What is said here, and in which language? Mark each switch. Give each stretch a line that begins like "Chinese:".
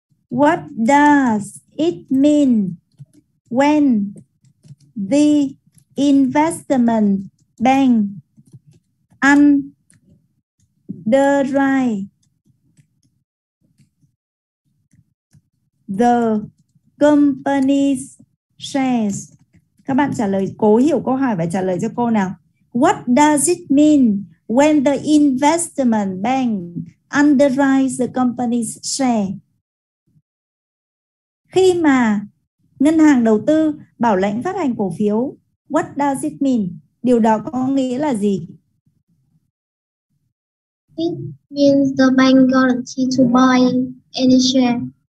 English: What does it mean when the investment bank underwrite the company's shares?
Vietnamese: Các bạn trả lời, cố hiểu câu hỏi và trả lời cho cô nào.
English: What does it mean when the investment bank underwrites the company's share?
Vietnamese: Khi mà ngân hàng đầu tư bảo lãnh phát hành cổ phiếu,
English: what does it mean? Investment
Vietnamese: Điều đó có nghĩa là gì?
English: It means the bank guarantee to buy any share.